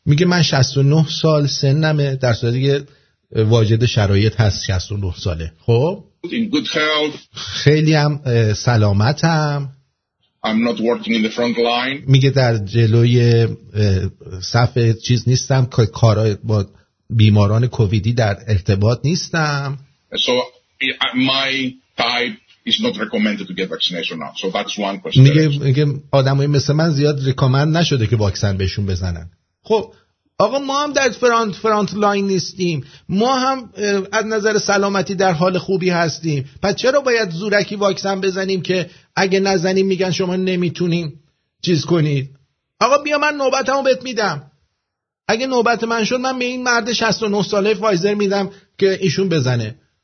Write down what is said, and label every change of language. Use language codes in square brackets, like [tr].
[fa] میگه من 69 سال سنمه، در صورتی که واجد شرایط هست 69 ساله. خب [en] in good health. [fa] خیلی هم سلامتم. [en] I'm not working in the front line. [fa] میگه در جلوی صف چیز نیستم، کارا با بیماران کوویدی در ارتباط نیستم. [en] So my type is not recommended to get vaccination now. So that's one question. [fa] میگه آدمای مثل من زیاد ریکامند نشده که واکسن بهشون بزنن. خب آقا ما هم در فرانت لاین نیستیم، ما هم از نظر سلامتی در حال خوبی هستیم، پس چرا باید زورکی واکسن بزنیم که اگه نزنیم میگن شما نمیتونیم چیز کنید؟ آقا بیا من نوبتمو بهت میدم، اگه نوبت من شد من به این مرد 69 ساله فایزر میدم که ایشون بزنه.